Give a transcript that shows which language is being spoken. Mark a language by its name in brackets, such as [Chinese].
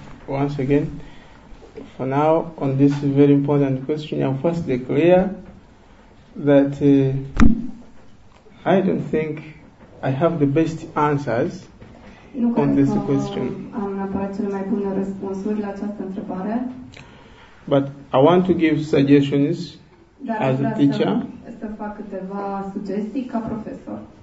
[English] Once again, for now, on this very important question, I'll first declare that I don't think I have the best answers on this question. [Romanian] Nu cred că am aparat cele mai bune răspunsuri la această întrebare. [English] But I want to give suggestions as a teacher. [Romanian] Să fac câteva sugestii ca profesor.